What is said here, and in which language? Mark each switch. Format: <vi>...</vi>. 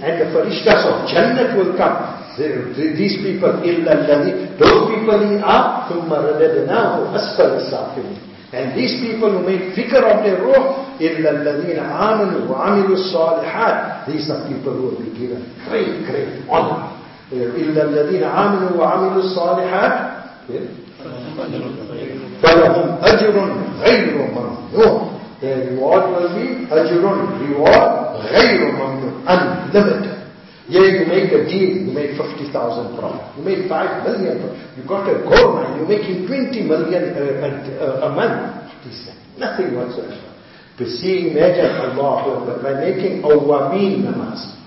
<en>And the farishtas of Jannat will come. These people,</en> <ar>illa alladhi,</ar> <en>those people are</en> <ar>thumma radadnahu asfala safilin.</ar> <en>And these people who make fikr of their ruh,</en> <ar>illa alladhina amanu wa amilu salihat.</ar> <en>These are people who will be given great, great honor.</en> <ar>Illa alladhina amanu wa amilu salihat. فَلَهُمْ أَجْرٌ غَيْرُ مَمْنُونَ</ar> <en>Their reward will be</en> <ar>أَجْرٌ</ar> <en>reward</en> <ar>غَيْرُ مَمْنُونَ</ar> <en>Unlimited. Yeah, you make a deal, you make 50,000 profit. You make 5 million profit. You got a gold mine, you're making 20 million a month. What is that? Nothing whatsoever. To see, imagine Allah, but by making awwameen namaz.</en>